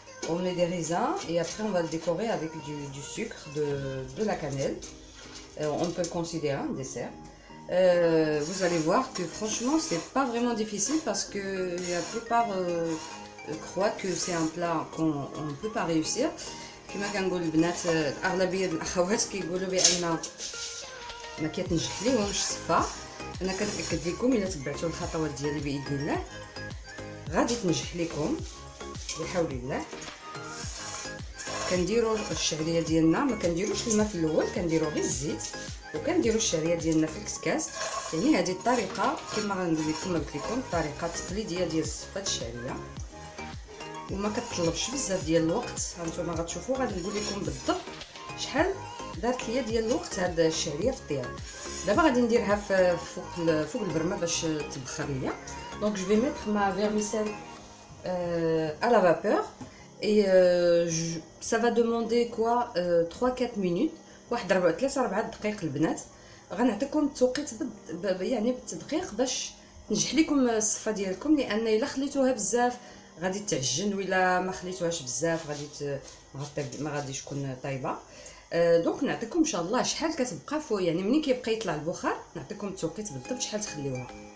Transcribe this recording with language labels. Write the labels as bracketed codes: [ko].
[fr] On met des raisins et après on va le décorer avec du sucre, de la cannelle. On peut le considérer un dessert. Vous allez voir que franchement c'est pas vraiment difficile, parce que la plupart croient que c'est un plat qu'on ne peut pas réussir. [ar] كما كنقول البنات، اغلبيه ديال الاخوات كيقولوا بان ما كيتنجح ليهمش الصفه. انا كنتاكد لكم الا تبعتوا الخطوات ديالي باذن الله غادي تنجح لكم بحول الله. كنديروا الشعريه ديالنا، ما كنديروش الماء في الاول، كنديروا غير الزيت وكنديروا الشعريه ديالنا في الكسكاس. يعني هذه الطريقه كما غنقول لكم، قلت لكم الطريقه التقليديه ديال الصفه الشعريه، وما كتطلبش بزاف ديال الوقت. هانتوما غتشوفوا، غادي نقول لكم بالضبط شحال دارت ليا ديال الوقت هذه الشعريه في الطياب. دابا غادي نديرها في فوق البرمه باش تبخر ليا. [fr] دونك جو في ميتر ما فيرميسيل ا لا فابور. Et ça va demander quoi 3-4 minutes. [ar] واحد 3-4 دقائق البنات، غنعطيكم التوقيت يعني بالتدقيق باش تنجح لكم الصفه ديالكم. لان الا خليتوها بزاف غادي تعجن، ولا ما خليتوهاش بزاف غادي ما غاديش تكون طايبه. دونك نعطيكم ان شاء الله شحال كتبقى فوق، يعني منين كيبقى يطلع البخار نعطيكم التوقيت بالضبط شحال تخليوها.